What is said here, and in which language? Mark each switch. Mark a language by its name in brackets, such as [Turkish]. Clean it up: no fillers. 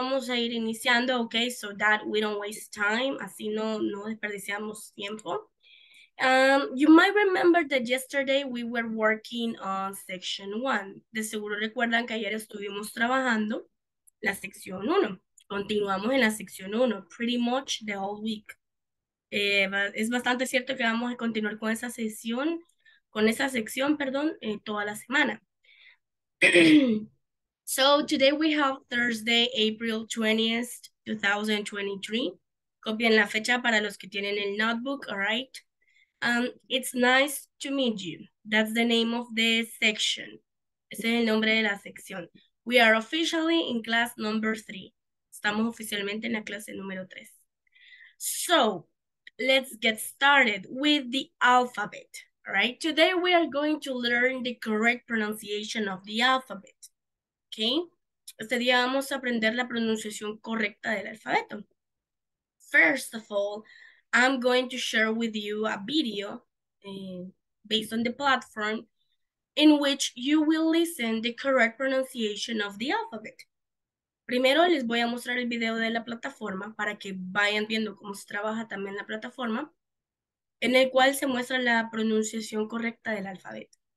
[Spanish] Vamos a ir iniciando, [English] okay, so that we don't waste time. [Spanish] Así no desperdiciamos tiempo. [English] You might remember that yesterday we were working on section one. [Spanish] De seguro recuerdan que ayer estuvimos trabajando la sección uno. Continuamos en la sección uno, [English] pretty much the whole week. [Spanish] Es bastante cierto que vamos a continuar con esa sesión. Con esa sección, perdón, toda la semana. [English] So today we have Thursday, April 20th, 2023. [Spanish] Copien la fecha para los que tienen el notebook, all right? [English] It's nice to meet you. That's the name of the section. [Spanish] Ese es el nombre de la sección. [English] We are officially in class number three. [Spanish] Estamos oficialmente en la clase número tres. [English] So let's get started with the alphabet. All right, today we are going to learn the correct pronunciation of the alphabet. Okay? [Spanish] Este día vamos a aprender la pronunciación correcta del alfabeto. [English] First of all, I'm going to share with you a video based on the platform in which you will listen the correct pronunciation of the alphabet. [Spanish] Primero les voy a mostrar el video de la plataforma para que vayan viendo cómo se trabaja también la plataforma. En el cual se muestra la pronunciación correcta del alfabeto.